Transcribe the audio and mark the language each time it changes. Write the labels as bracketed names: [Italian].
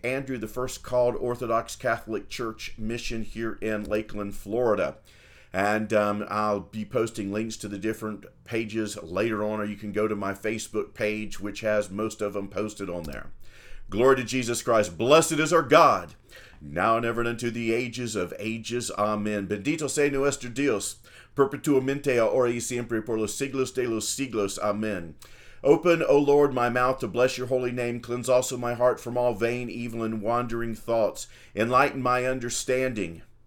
[English] Andrew, the First Called Orthodox Catholic Church mission here in Lakeland, Florida. And I'll be posting links to the different pages later on, or you can go to my Facebook page, which has most of them posted on there. Glory to Jesus Christ. Blessed is our God, now and ever and unto the ages of ages. Amen. [Spanish] Bendito sea nuestro Dios, perpetuamente, ahora y siempre, por los siglos de los siglos. Amen. [English] Open, O Lord, my mouth to bless your holy name. Cleanse also my heart from all vain, evil, and wandering thoughts. Enlighten my understanding.